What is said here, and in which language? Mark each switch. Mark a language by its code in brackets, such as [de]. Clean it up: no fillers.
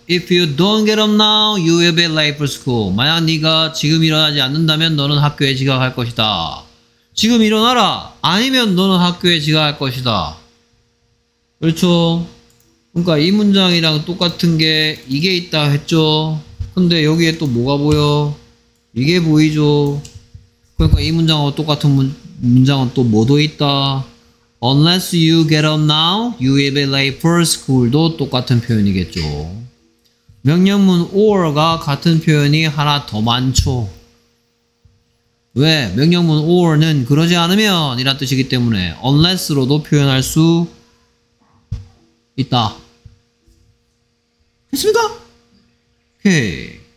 [en] If you don't get up now, you will be late for school. [ko] 만약 네가 지금 일어나지 않는다면 너는 학교에 지각할 것이다. 지금 일어나라. 아니면 너는 학교에 지각할 것이다. 그렇죠? 그러니까 이 문장이랑 똑같은 게 이게 있다 했죠? 근데 여기에 또 뭐가 보여? 이게 보이죠? 그러니까 이 문장하고 똑같은 문장은 또 뭐도 있다? [en] Unless you get up now, you will be late for school도 [ko] 똑같은 표현이겠죠. 명령문 or가 같은 표현이 하나 더 많죠. 왜? 명령문 or는 그러지 않으면 이란 뜻이기 때문에 unless로도 표현할 수 있다. 됐습니까? 오케이.